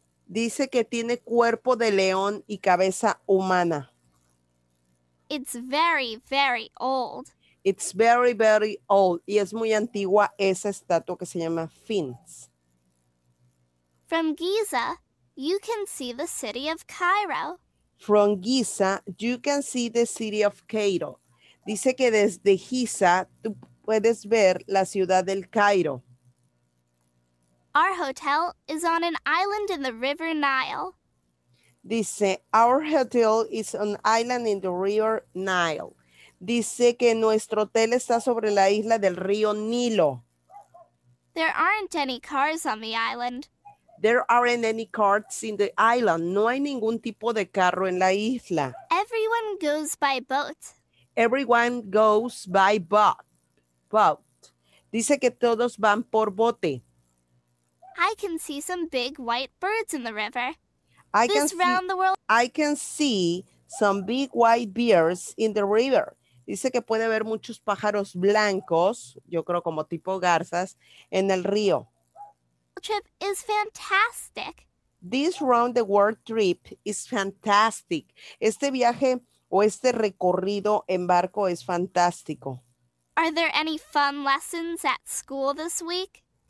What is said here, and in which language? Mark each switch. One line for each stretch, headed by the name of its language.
Spanish: Dice que tiene cuerpo de león y cabeza humana.
English: It's very, very old. It's very, very old.
Spanish: Y es muy antigua esa estatua que se llama Sphinx.
English: From Giza, you can see the city of Cairo. From Giza, you can see the city of Cairo.
Spanish: Dice que desde Giza, tú puedes ver la ciudad del Cairo.
English: Our hotel is on an island in the River Nile.
Spanish: Dice,
English: our hotel is on an island in the River Nile.
Spanish: Dice que nuestro hotel está sobre la isla del río Nilo.
English: There aren't any cars on the island. There aren't any cars in the island.
Spanish: No hay ningún tipo de carro en la isla.
English: Everyone goes by boat. Everyone goes by boat. Boat.
Spanish: Dice que todos van por bote.
English: I can see some big white birds in the river. I can see some big white birds in the river.
Spanish: Dice que puede ver muchos pájaros blancos, yo creo como tipo garzas, en el río.
English: This trip is fantastic. This round the world trip is fantastic.
Spanish: Este viaje o este recorrido en barco es fantástico. Are there any fun lessons at school this week?